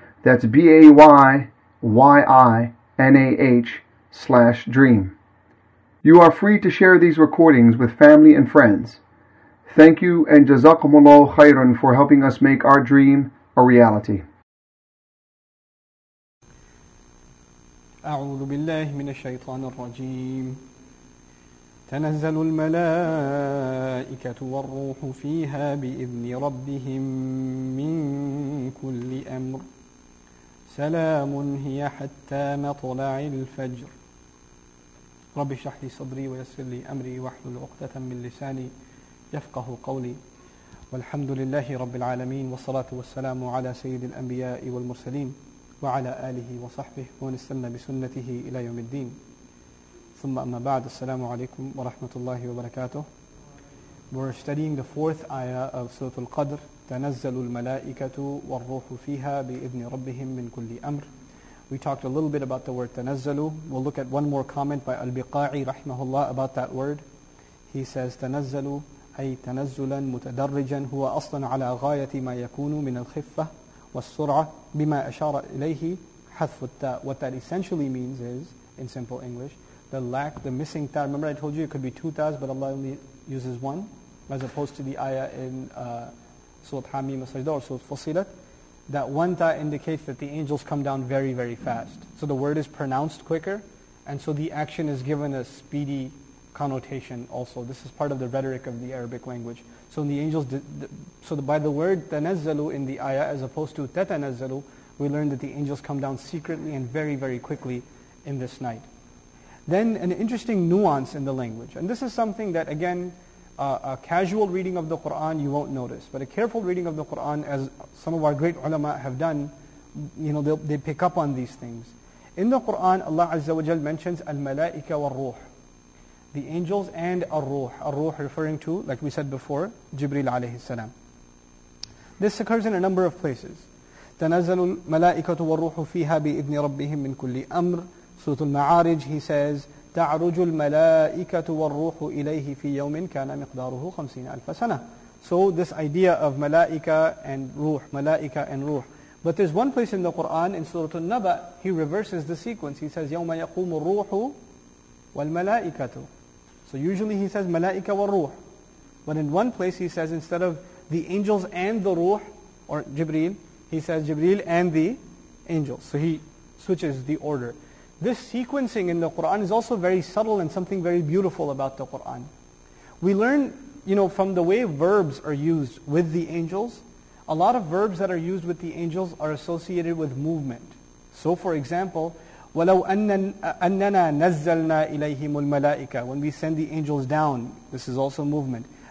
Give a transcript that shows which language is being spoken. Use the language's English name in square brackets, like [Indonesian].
[English] That's BAYYINAH/dream. You are free to share these recordings with family and friends. Thank you and Jazakumullah Khairan for helping us make our dream a reality. [Arabic] أعوذ بالله من الشيطان الرجيم تنزل الملائكة والروح فيها بإذن ربهم من كل أمر سلام هي حتى مطلع الفجر رب اشرح لي صدري ويسر لي أمري واحلل عقدة من لساني يفقه قولي والحمد لله رب العالمين والصلاة والسلام على سيد الأنبياء والمرسلين وعلى آله وصحبه ومن استنى بسنته إلى يوم الدين ثم أما بعد السلام عليكم ورحمة الله وبركاته. [English] We're studying the fourth ayah of Surah Al-Qadr. [Arabic] تنزل الملائكة والروح فيها بإذن ربهم من كل أمر. [English] We talked a little bit about the word تنزل. We'll look at one more comment by Al-Biqa'i رحمه الله about that word. He says [Arabic] تنزل أي تنزلا متدرجا هو أصلا على غاية ما يكون من الخفة والسرعة بما أشار إليه حذف التاء. [English] What that essentially means is, in simple English, the lack, the missing تاء. Remember I told you it could be two تاءs, but Allah only uses one, as opposed to the ayah in Surah Hamim Sajda or Surah Fusilat. That one تاء indicates that the angels come down very, very fast. So the word is pronounced quicker, and so the action is given a speedy connotation also. This is part of the rhetoric of the Arabic language. So in the angels, by the word تنزلوا in the ayah, as opposed to تتنزلوا, we learn that the angels come down secretly and very, very quickly in this night. Then an interesting nuance in the language. And this is something that, again, a casual reading of the Qur'an, you won't notice. But a careful reading of the Qur'an, as some of our great ulama have done, you know, they pick up on these things. In the Qur'an, Allah Azza wa Jal mentions al-malaika wal-ruh, the angels and ar-ruh. Ar-ruh referring to, like we said before, Jibreel alayhi salam. This occurs in a number of places. [Arabic] تَنَزَّلُ الْمَلَائِكَةُ وَالْرُوحُ فِيهَا بِإِذْنِ رَبِّهِمْ مِنْ كُلِّ أَمْرٍ. [English] Surah Al-Ma'arij, he says, [Arabic] تَعْرُجُ الْمَلَائِكَةُ وَالْرُوحُ إِلَيْهِ فِي يَوْمٍ كَانَ مِقْدَارُهُ 50,000 سَنَةٍ. [English] So this idea of malaika and ruh. But there's one place in the Qur'an, in Surah Al-Naba, he reverses the sequence. He says, [Arabic] يَوْمَ يَقُومُ الرُّوحُ وَالْمَلَائِكَةُ. [English] So usually he says, malaika wal-ruh. But in one place he says, instead of the angels and the ruh, or Jibreel, he says, Jibreel and the angels. So he switches the order. This sequencing in the Qur'an is also very subtle and something very beautiful about the Qur'an. We learn, you know, from the way verbs are used with the angels, a lot of verbs that are used with the angels are associated with movement. So for example, [Arabic] وَلَوْ أَنَّنَا نَزَّلْنَا إِلَيْهِمُ الْمَلَائِكَةَ. [English] When we send the angels down, this is also movement.